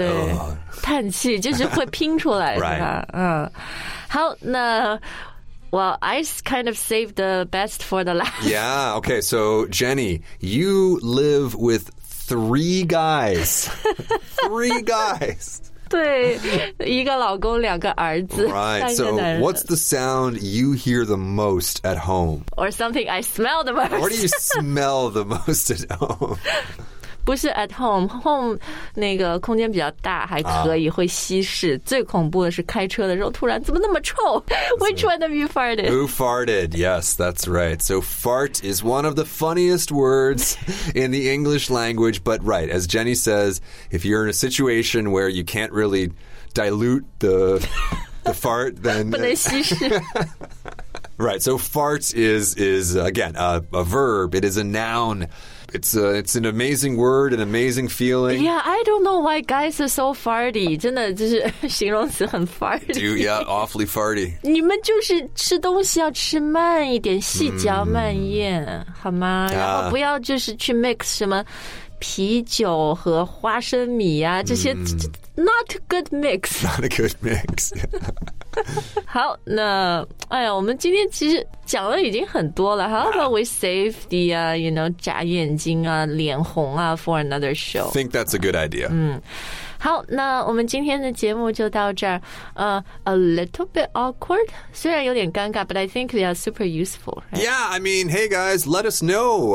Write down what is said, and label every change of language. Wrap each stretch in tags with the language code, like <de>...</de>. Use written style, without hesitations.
<zh>对对对、叹气就是会拼出来</zh> <en>Right. 好那 Well, I kind of saved the best for the last. Yeah, okay. So, Jenny, you live with three guys. three guys.</en> <zh>对，一个老公，两个儿子。</zh> <en>Right. So, what's the sound you hear the most at home? Or something I smell the most? What do you smell the most at home?</en> <zh>不是</zh> <en>at home,</en> <zh>home 那个空间比较大，还可以会稀释。最恐怖的是开车的时候，突然怎么那么臭 ？</zh> <en>Which one of you farted? Who farted? Yes, that's right. So, fart is one of the funniest words in the English language. But right, as Jenny says, if you're in a situation where you can't really dilute the fart, then</en> <zh>不能稀释。</zh> <en>Right. So, fart is again a verb. It is a noun. It's an amazing word, an amazing feeling. Yeah, I don't know why guys are so farty.</en> <zh>真的就是形容词很 farty.</zh> <en>Dude, yeah, awfully farty.</en> <zh>你们就是吃东西要吃慢一点，细嚼慢咽，好吗？然后不要就是去 mix 什么啤酒和花生米啊，这些</zh> <en>not a good mix. Not a good mix.</en> <zh>好，那哎呀，我们今天其实讲了已经很多了。</zh> <en>How about we save the, you know,</en> <zh>眨眼睛啊，脸红啊</zh> <en>for another show. Think that's a good idea.</en> <zh>好，那我们今天的节目就到这儿。</zh> <en>A little bit awkward,</en> <zh>虽然有点尴尬</zh> <en>but I think they are super useful.、Right? Yeah, I mean, hey guys, let us know.</en>